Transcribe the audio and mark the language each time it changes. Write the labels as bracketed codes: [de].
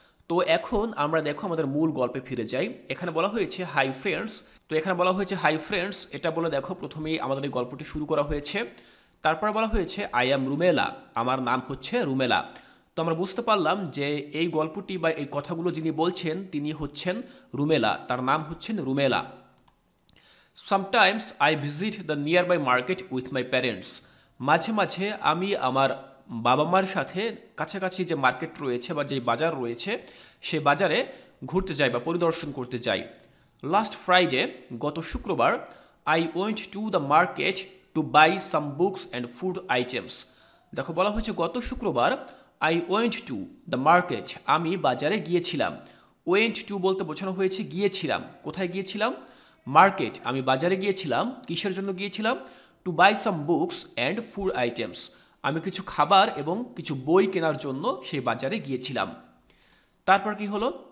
[bn] তো এখন আমরা দেখো আমাদের মূল গল্পে ফিরে যাই। এখানে বলা হয়েছে [en] hi friends, [bn] তো এখানে বলা হয়েছে হাই ফ্রেন্ডস, এটা বলে দেখো প্রথমেই আমাদের এই গল্পটি শুরু করা হয়েছে। তারপর বলা হয়েছে [en] I am Rumela, [bn] আমার নাম হচ্ছে রুমেলা। তো আমরা বুঝতে পারলাম যে এই গল্পটি বা এই কথাগুলো যিনি বলছেন তিনি হচ্ছেন রুমেলা, তার নাম হচ্ছেন Rumela. [en] Sometimes I visit the nearby market with my parents. [bn] মাঝে মাঝে আমি আমার বাবা মার সাথে কাছাকাছি যে মার্কেট রয়েছে বা যে বাজার রয়েছে সে বাজারে ঘুরতে যাই বা পরিদর্শন করতে যাই। [en] Last Friday, [bn] গত শুক্রবার, [en] I went to the market to buy some books and food items. [bn] দেখো বলা হয়েছে গত শুক্রবার [en] I went to the market, [bn] আমি বাজারে গিয়েছিলাম। [en] Went to [bn] বলতে বোঝানো হয়েছে গিয়েছিলাম। কোথায় গিয়েছিলাম? মার্কেট, আমি বাজারে গিয়েছিলাম। কিসের জন্য গিয়েছিলাম? [en] to buy some books and food items, [bn] আমি কিছু খাবার এবং কিছু বই কেনার জন্য সেই বাজারে গিয়েছিলাম। তারপর কি হলো?